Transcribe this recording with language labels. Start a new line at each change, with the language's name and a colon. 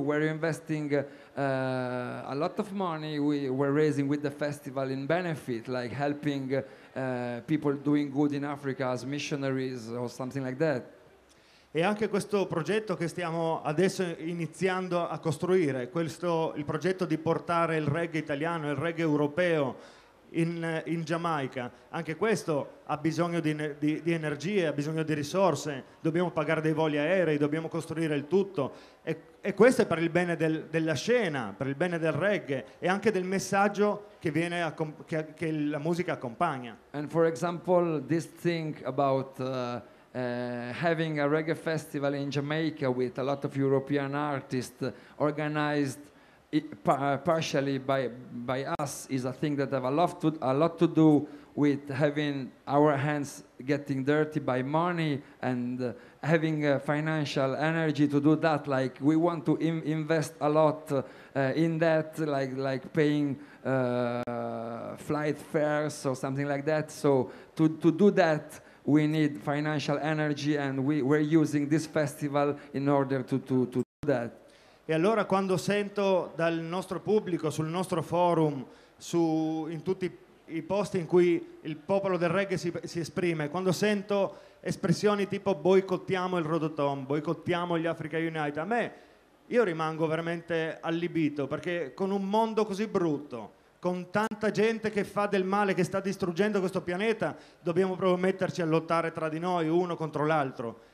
English: We're investing a lot of money we're raising with the festival in benefit, like helping people doing good in Africa as missionaries or something like that.
Italian: E anche questo progetto che stiamo adesso iniziando a costruire, questo, il progetto di portare il reggae italiano, il reggae europeo in Giamaica, anche questo ha bisogno di energie, ha bisogno di risorse, dobbiamo pagare dei voli aerei, dobbiamo costruire il tutto. E questo è per il bene della scena, per il bene del reggae e anche del messaggio che viene che la musica accompagna.
English: And for example, this thing about having a reggae festival in Jamaica with a lot of European artists organized partially by us is a thing that have a lot to do with having our hands getting dirty by money and having financial energy to do that. Like, we want to invest a lot in that, like paying flight fares or something like that. So to do that, we need financial energy and we're using this festival in order to do that.
Italian: E allora quando sento dal nostro pubblico, sul nostro forum, in tutti i posti in cui il popolo del reggae si esprime, quando sento espressioni tipo boicottiamo il Rototom, boicottiamo gli Africa United, a me, io rimango veramente allibito, perché con un mondo così brutto, con tanta gente che fa del male, che sta distruggendo questo pianeta, dobbiamo proprio metterci a lottare tra di noi, uno contro l'altro.